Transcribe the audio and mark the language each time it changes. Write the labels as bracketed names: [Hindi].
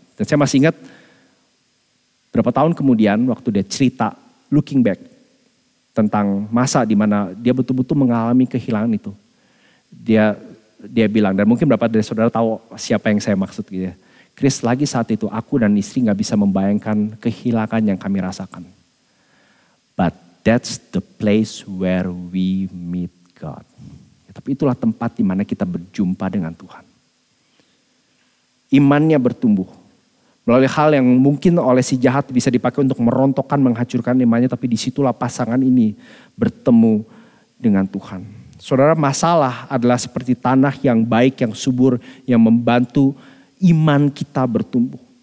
[Indonesian] Dan saya masih ingat berapa tahun kemudian waktu dia cerita [English] looking back [Indonesian] tentang masa di mana dia betul-betul mengalami kehilangan itu. Dia bilang, dan mungkin beberapa dari saudara tahu siapa yang saya maksud gitu ya. Chris, lagi saat itu aku dan istri gak bisa membayangkan kehilangan yang kami rasakan. [English] But that's the place where we meet God. [Indonesian] Ya, tapi itulah tempat di mana kita berjumpa dengan Tuhan. Imannya bertumbuh. Melalui hal yang mungkin oleh si jahat bisa dipakai untuk merontokkan, menghancurkan imannya. Tapi disitulah pasangan ini bertemu dengan Tuhan. Saudara, masalah adalah seperti tanah yang baik, yang subur, yang membantu iman kita bertumbuh.